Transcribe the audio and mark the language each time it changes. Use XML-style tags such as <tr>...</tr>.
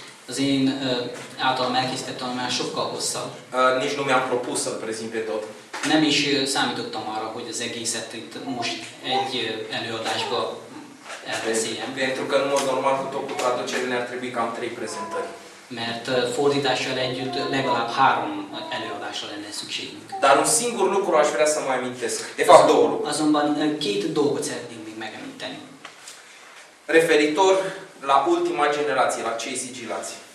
<hu>Az én általam elkészített tanulmány sokkal hosszabb.</hu> <ro>Nici nu mi-am propus să-l prezint pe tot.</ro> <hu>Nem is számítottam arra, hogy az egészet itt most egy előadásba elbeszéljem.</hu> <ro>Pentru că în mod normal cu tot cu traducerile ar trebui cam 3 prezentări.</ro> <hu>Mert fordítással együtt legalább 3 előadásra lenne szükségünk.</hu> <ro>Dar un singur lucru aș vrea să mai amintesc. De fapt două lucru.</ro> <hu>Azonban két dolgot szeretnénk még megemlíteni.</hu> <ro>Referitor la ultima generație, la cei sigilați.</ro>